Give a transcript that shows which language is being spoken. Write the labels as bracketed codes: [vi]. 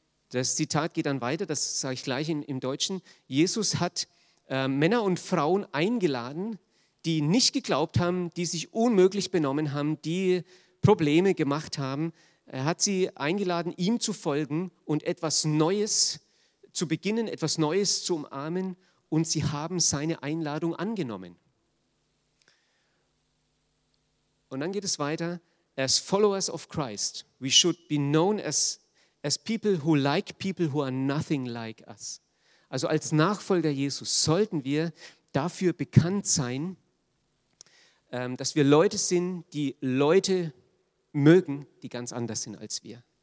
[de] Das Zitat geht dann weiter, das sage ich gleich im Deutschen. Jesus hat Männer und Frauen eingeladen, die nicht geglaubt haben, die sich unmöglich benommen haben, die Probleme gemacht haben. Er hat sie eingeladen, ihm zu folgen und etwas Neues zu beginnen, etwas Neues zu umarmen und sie haben seine Einladung angenommen. Und dann geht es weiter. [en] As followers of Christ, we should be known as people who like people who are nothing like us. [de] Also als Nachfolger Jesus sollten wir dafür bekannt sein, dass wir Leute sind, die Leute mögen, die ganz anders sind als wir.